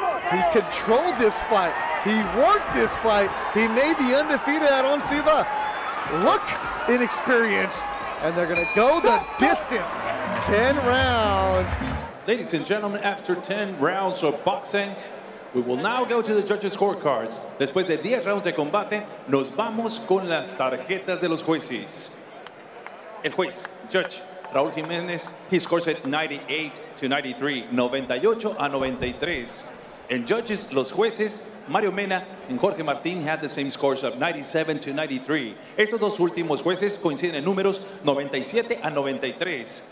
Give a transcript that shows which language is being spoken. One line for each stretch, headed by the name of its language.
English: He controlled this fight. He worked this fight. He made the undefeated Aaron Silva look inexperienced. And they're going to go the distance. 10 rounds. Ladies and gentlemen, after 10 rounds of boxing, we will now go to the judges' scorecards.
Spanish: Después de 10 rounds de combate, nos vamos con las tarjetas de los jueces. El juez,
English: judge, Raúl Jiménez, he scores at 98 to 93,
Spanish: 98 a 93.
English: And judges,
Spanish: los jueces,
English: Mario Mena and Jorge Martin had the same scores of 97 to 93.
Spanish: Estos dos últimos jueces coinciden en números 97 a 93.